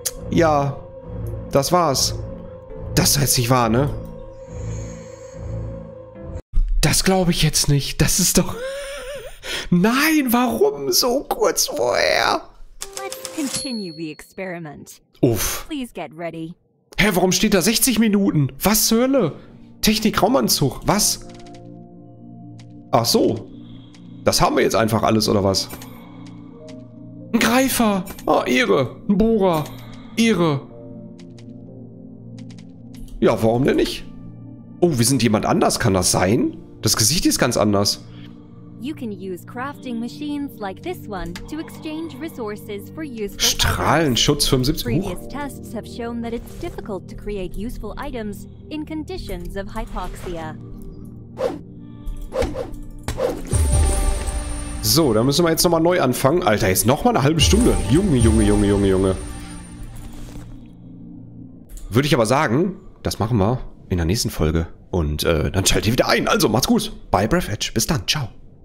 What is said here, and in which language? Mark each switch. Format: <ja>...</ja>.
<de>Ja, das war's. Das heißt nicht wahr, ne? Das glaube ich jetzt nicht. Das ist doch... Nein, warum so kurz vorher?</de> <en>Let's continue the experiment. Uff. Please get ready.</en> <de>Hä, warum steht da 60 Minuten? Was zur Hölle? Technik, Raumanzug, was? Ach so. Das haben wir jetzt einfach alles, oder was? Ein Greifer. Ah, Ehre. Ein Bohrer. Ehre. Ja, warum denn nicht? Oh, wir sind jemand anders. Kann das sein? Das Gesicht ist ganz anders.</de> <en>You can use crafting machines like this one to exchange resources for useful items.</en> <de>Strahlenschutz 75.</de> <en>Previous tests have shown that it's difficult to create useful items in conditions of hypoxia.</en> <de>So, da müssen wir jetzt nochmal neu anfangen. Alter, jetzt nochmal eine halbe Stunde. Junge, Junge, Junge, Junge, Junge. Würde ich aber sagen, das machen wir in der nächsten Folge. Und dann schaltet ihr wieder ein. Also, macht's gut. Bye, Breath Edge. Bis dann. Ciao.</de>